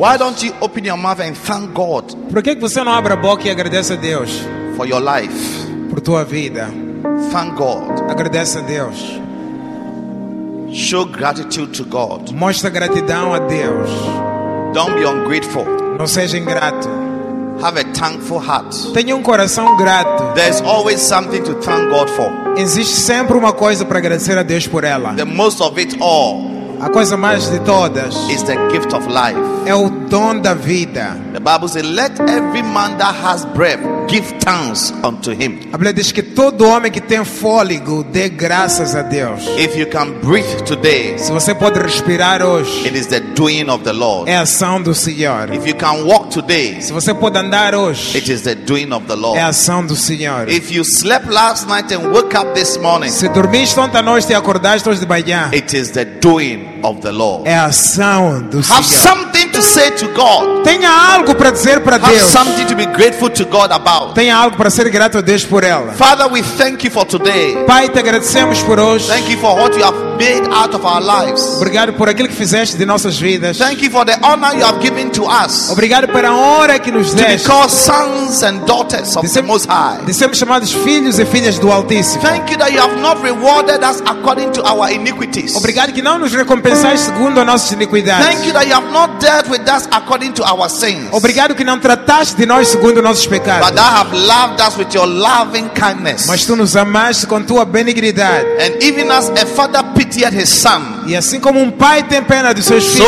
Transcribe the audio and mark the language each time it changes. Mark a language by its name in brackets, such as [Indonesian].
[English] Why don't you open your mouth and thank God? [Portuguese] Por que você não abre a boca e agradece a Deus? [English] For your life. [Portuguese] Por tua vida. [English] Thank God. [Portuguese] Agradece a Deus. [English] Show gratitude to God. [Portuguese] Mostra gratidão a Deus. [English] Don't be ungrateful. [Portuguese] Não seja ingrato. [English] Have a thankful heart. [Portuguese] Tenha coração grato. [English] There's always something to thank God for. [Portuguese] Existe sempre uma coisa para agradecer a Deus por ela. [English] The most of it all. [Portuguese] A coisa mais de todas. [English] Is the gift of life. [Portuguese] É o dom da vida. [English] The Bible says, "Let every man that has breath give thanks unto him." [Portuguese] A Bíblia diz que todo homem que tem fôlego dê graças a Deus. [English] If you can breathe today, [Portuguese] se você pode respirar hoje, [English] it is the doing of the Lord. [Portuguese] É a ação do Senhor. [English] If you can walk today, [Portuguese] se você pode andar hoje, [English] it is the doing of the Lord. [Portuguese] É a ação do Senhor. [English] If you slept last night and woke up this morning, [Portuguese] se dormiste ontem à noite e acordaste hoje de manhã, [English] it is the doing of the Lord. [Portuguese] É a ação do Senhor. [English] Have something to say to God. [Portuguese] Tenha algo para dizer para Deus. [English] Have something to be grateful to God about. [Portuguese] Tenha algo para ser grato a Deus por ela. [English] Father, we thank you for today. [Portuguese] Pai, te agradecemos por hoje. [English] Thank you for what you have made out of our lives. [Portuguese] Obrigado por aquilo que fizeste de nossas vidas. [English] Thank you for the honor you have given to us. [Portuguese] Obrigado pela honra que nos deste. [English] To be called sons and daughters of the Most High. [Portuguese] De sermos chamados filhos e filhas do Altíssimo. [English] Thank you that you have not rewarded us according to our iniquities. [Portuguese] Obrigado que não nos recompensaste segundo as nossas iniquidades. [English] Thank you that you have not dealt with us according to our sins. [Portuguese] Obrigado que não trataste de nós segundo nossos pecados. [English] But thou have loved us with your loving kindness. [Portuguese] Mas tu nos amaste com tua benignidade. [English] And even as a father pitied his son. [Portuguese] E assim como pai tem pena de seus filhos.